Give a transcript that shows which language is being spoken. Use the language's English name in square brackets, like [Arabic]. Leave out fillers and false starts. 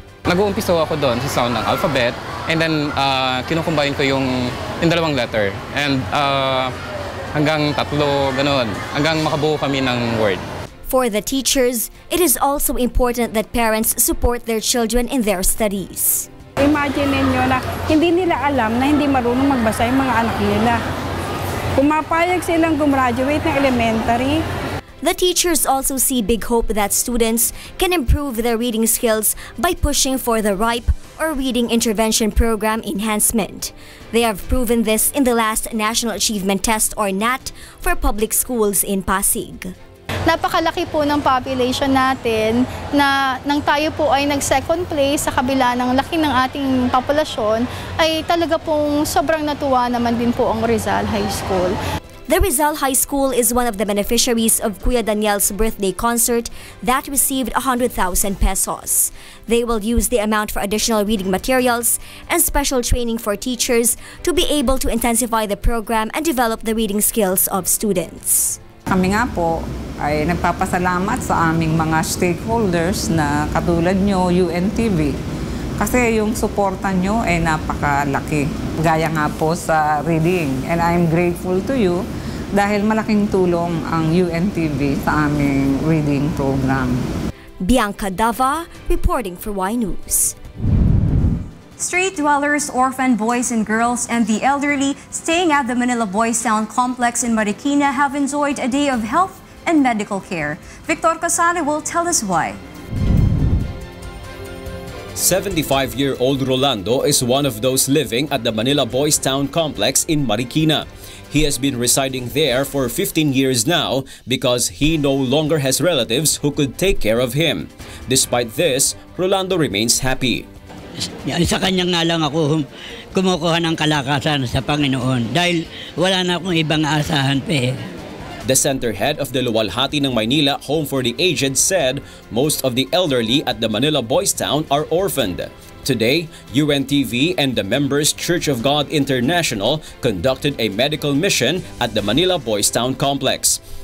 [Filipino] Nag-uumpisa ako doon sa sound ng alphabet, and then kinukumbayin ko yung in dalawang letter, and hanggang tatlo, ganun, hanggang makabuo kami ng word. [English] For the teachers, it is also important that parents support their children in their studies. [Filipino] Imagine niyo na hindi nila alam na hindi marunong magbasa yung mga anak nila. Pumapayag silang gumraduate ng elementary. [English] The teachers also see big hope that students can improve their reading skills by pushing for the RIPE, or Reading Intervention Program Enhancement. They have proven this in the last National Achievement Test, or NAT, for public schools in Pasig. [Filipino] Napakalaki po ng population natin na nang tayo po ay nag-second place sa kabila ng laki ng ating populasyon ay talaga pong sobrang natuwa naman din po ang Rizal High School. [English] The Rizal High School is one of the beneficiaries of Kuya Daniel's birthday concert that received 100,000 pesos. They will use the amount for additional reading materials and special training for teachers to be able to intensify the program and develop the reading skills of students. [Filipino] Kami nga po ay nagpapasalamat sa aming mga stakeholders na katulad nyo, UNTV. Kasi yung suporta nyo ay napakalaki, gaya nga po sa reading. [English] And I'm grateful to you [Filipino] dahil malaking tulong ang UNTV sa aming reading program. [English] Bianca Dava, reporting for Y News. Street dwellers, orphan boys and girls, and the elderly staying at the Manila Boys Town Complex in Marikina have enjoyed a day of health and medical care. Victor Casale will tell us why. 75-year-old Rolando is one of those living at the Manila Boys Town Complex in Marikina. He has been residing there for 15 years now because he no longer has relatives who could take care of him. Despite this, Rolando remains happy. [Filipino] Yan, sa kanya nga lang ako kumukuha ng kalakasan sa Panginoon dahil wala na akong ibang aasahan pa eh. [English] The center head of the Luwalhati ng Maynila Home for the Aged said most of the elderly at the Manila Boys Town are orphaned. Today, UNTV and the members Church of God International conducted a medical mission at the Manila Boys Town Complex.